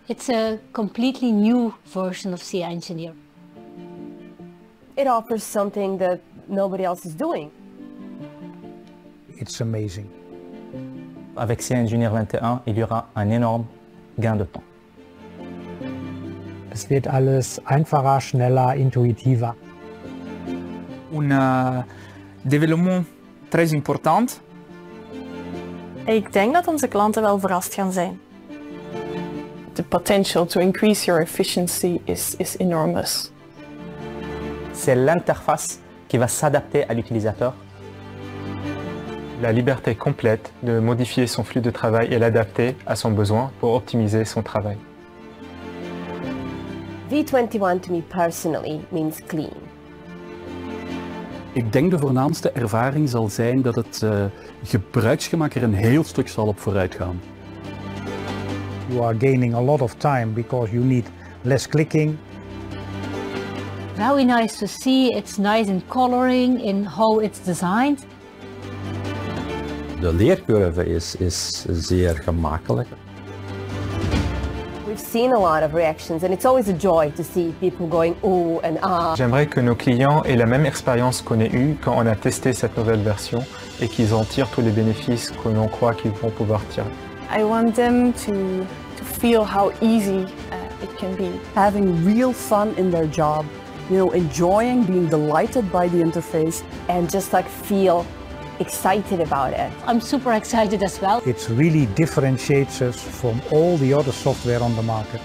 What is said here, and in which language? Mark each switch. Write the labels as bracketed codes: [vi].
[en] It's a completely new version of CIA Engineer. It offers something that nobody else is doing. It's amazing. [fr] Avec CIA Engineer 21, il y aura un énorme gain de temps. [de] Es wird alles einfacher, schneller, intuitiver. [fr] Un développement très important. [nl] Ik denk dat onze klanten wel verrast gaan zijn. [en] The potential to increase your efficiency is enormous. [fr] C'est l'interface qui va s'adapter à l'utilisateur. La liberté complète de modifier son flux de travail et l'adapter à son besoin pour optimiser son travail. [en] V21 to me personally means clean. [nl] Ik denk de voornaamste ervaring zal zijn dat het gebruiksgemak er een heel stuk zal op vooruit gaan. [en] You are gaining a lot of time because you need less clicking. Very nice to see. It's nice in coloring, in how it's designed. [nl] De leercurve is zeer gemakkelijk. [en] We've seen a lot of reactions and it's always a joy to see people going ooh and ah. [fr] J'aimerais que nos clients aient la même expérience qu'on a eue quand on a testé cette nouvelle version et qu'ils en tirent tous les bénéfices que l'on croit qu'ils vont pouvoir tirer. [en] I want them to feel how easy it can be. Having real fun in their job, you know, enjoying being delighted by the interface and just like feel excited about it. I'm super excited as well. It really differentiates us from all the other software on the market.